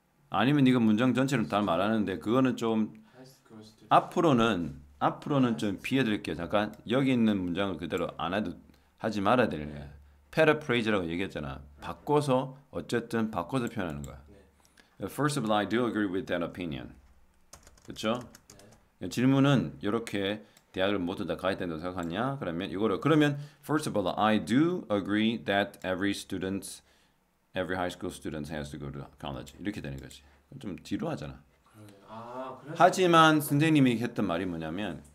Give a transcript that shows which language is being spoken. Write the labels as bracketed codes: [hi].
[ko] 아니면 네가 문장 전체를 다 말하는데 그거는 좀 앞으로는 좀 피해드릴게요. 잠깐 여기 있는 문장을 그대로 안 해도 하지 말아야 되네. paraphrase라고 얘기했잖아. 바꿔서 어쨌든 바꿔서 표현하는 거야. [en] First of all, I do agree with that opinion. [ko] 그렇죠? 질문은 이렇게 대학을 모두 다 가야 된다고 생각하냐? 그러면 이거를 그러면 [en] first of all, I do agree that every high school student has to go to college. [ko] 이렇게 되는 거지. 좀 지루하잖아. 아, 하지만 선생님이 했던 말이 뭐냐면